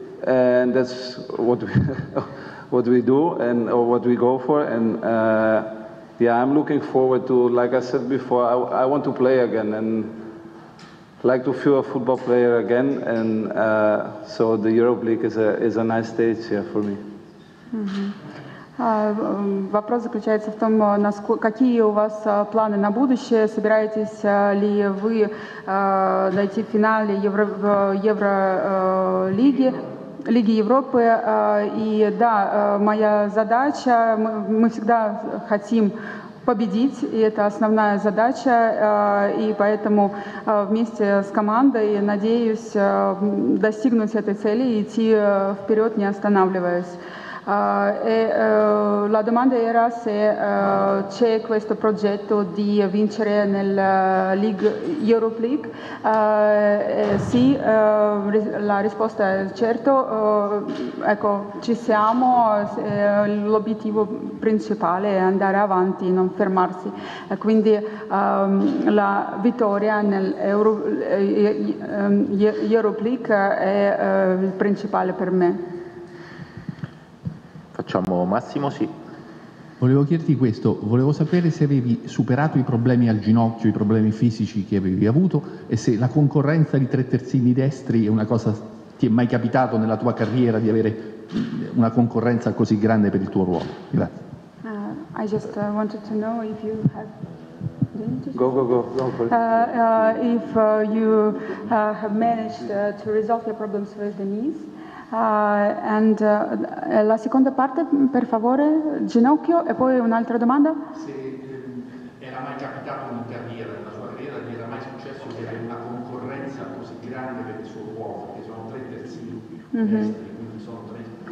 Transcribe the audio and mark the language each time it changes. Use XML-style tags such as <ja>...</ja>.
<en>And that's what we do and or what we go for. And yeah, I'm looking forward to, like I said before, I want to play again and like to feel a football player again. And so the Europa League is a nice stage here for me.</en> <ru>Вопрос заключается в том, какие у вас планы на будущее, собираетесь ли вы дойти в финале Евролиги? Лиги Европы, и да, моя задача, мы всегда хотим победить, и это основная задача, и поэтому вместе с командой надеюсь достигнуть этой цели и идти вперед, не останавливаясь.</ru> <it>La domanda era se c'è questo progetto di vincere nel Europa League. Sì, la risposta è certo, ecco, ci siamo, l'obiettivo principale è andare avanti, non fermarsi. Quindi la vittoria nel Europa League è il principale per me. Facciamo Massimo, sì. Volevo chiederti questo, volevo sapere se avevi superato i problemi al ginocchio, i problemi fisici che avevi avuto e se la concorrenza di tre terzini destri è una cosa, ti è mai capitato nella tua carriera di avere una concorrenza così grande per il tuo ruolo? Grazie.</it> <en>I just wanted to know if you have... Go. If you have managed to resolve your problems with the knees.</en> <it>La seconda parte, per favore, ginocchio, e poi un'altra domanda? Se era mai capitato in carriera, nella sua carriera, gli era mai successo che aveva una concorrenza così grande per il suo ruolo, perché sono tre terzini, quindi sono tre.</it>